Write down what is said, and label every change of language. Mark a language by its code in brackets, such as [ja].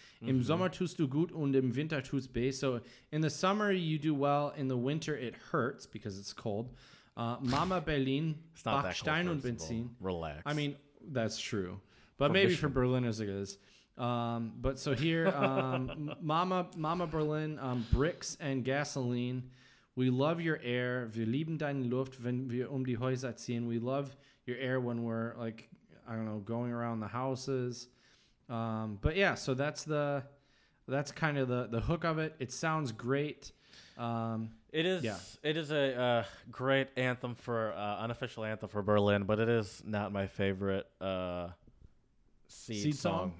[de] Im Sommer tust du gut und im Winter tust B. [en] So in the summer, you do well. In the winter, it hurts because it's cold. [de] Mama Berlin, Backstein und Benzin. [en] Relax. I mean, that's true. But maybe for Berliners it is. But so here, Mama Berlin, bricks and gasoline. We love your air. [de] Wir lieben deine Luft, wenn wir die Häuser ziehen. [en] We love your air when we're like, I don't know, going around the houses. But yeah, so that's kind of the hook of it. It sounds great. It is a great anthem for unofficial anthem for Berlin, but it is not my favorite seed song.